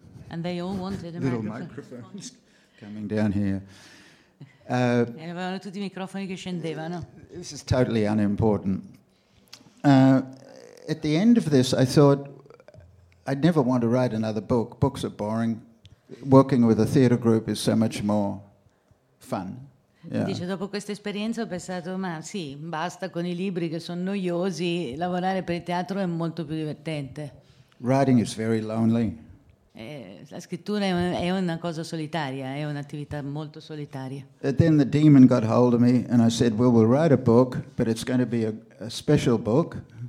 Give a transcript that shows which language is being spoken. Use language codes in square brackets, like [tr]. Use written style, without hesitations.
[en] And they all wanted a little microphones. Coming down here. [it] Avevano tutti i microfoni che scendevano. [en] This is totally unimportant. At the end of this, I thought I'd never want to write another book. Books are boring. Working with a theater group is so much more fun. Yeah. [it] Dice, dopo questa esperienza ho pensato, ma sì, basta con i libri che sono noiosi. Lavorare per il teatro è molto più divertente. [en] Writing is very lonely. [it] La scrittura è una cosa solitaria, è un'attività molto solitaria. [en] And then the demon got hold of me and I said, well, we'll write a book, but it's going to be a special book.